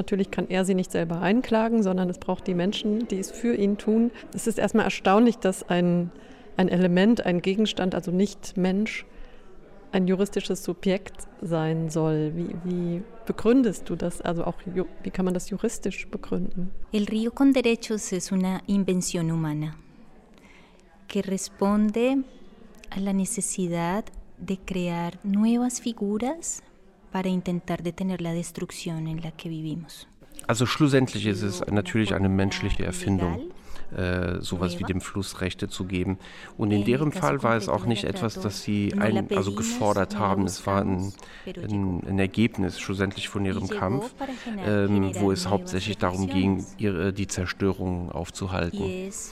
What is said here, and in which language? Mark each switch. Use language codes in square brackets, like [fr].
[de] Natürlich kann er sie nicht selber einklagen, sondern es braucht die Menschen, die es für ihn tun. Es ist erstmal erstaunlich, dass ein Element, ein Gegenstand, also nicht Mensch, ein juristisches Subjekt sein soll. Wie begründest du das? Also auch, wie kann man das juristisch begründen? [es] El río con derechos es una invención humana que responde a la necesidad de crear nuevas figuras para intentar detener la destrucción en la que vivimos. [de] Also schlussendlich ist es natürlich eine menschliche Erfindung, sowas wie dem Fluss Rechte zu geben. Und in deren Fall war es auch nicht etwas, das sie also gefordert haben. Es war ein Ergebnis schlussendlich von ihrem Kampf, wo es hauptsächlich darum ging, die Zerstörung aufzuhalten.